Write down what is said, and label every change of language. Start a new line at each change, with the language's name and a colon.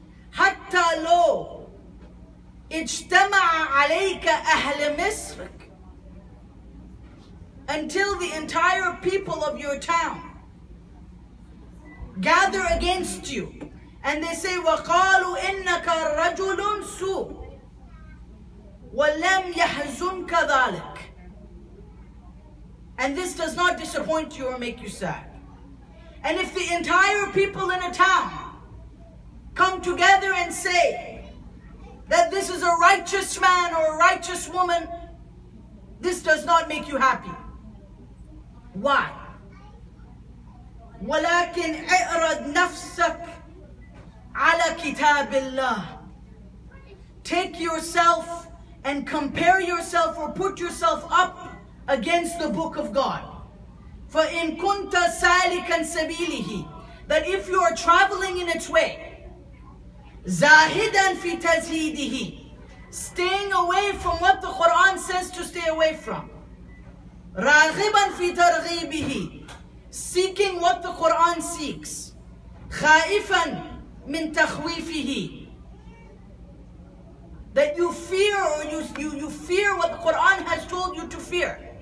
Arabic: Hatta lo ijtama'a alayka ahl Misr,
English: until the entire people of your town gather against you and they say,
Arabic: waqalu innaka rajulun su wa lam yahzunka dhalik,
English: and this does not disappoint you or make you sad. And if the entire people in a town come together and say that this is a righteous man or a righteous woman, this does not make you happy. Why?
Arabic: ولكن اعرض نفسك على كتاب الله.
English: Take yourself and compare yourself or put yourself up against the book of God.
Arabic: فَإِن كُنْتَ سَالِكًا سَبِيلِهِ,
English: that if you are traveling in its way,
Arabic: زَاهِدًا فِي تَزْهِيدِهِ,
English: staying away from what the Quran says to stay away from,
Arabic: رَاغِبًا فِي تَرْغِيبِهِ,
English: seeking what the Quran seeks,
Arabic: خَائِفًا مِن تَخْوِيفِهِ,
English: that you fear, or you fear what the Quran has told you to fear.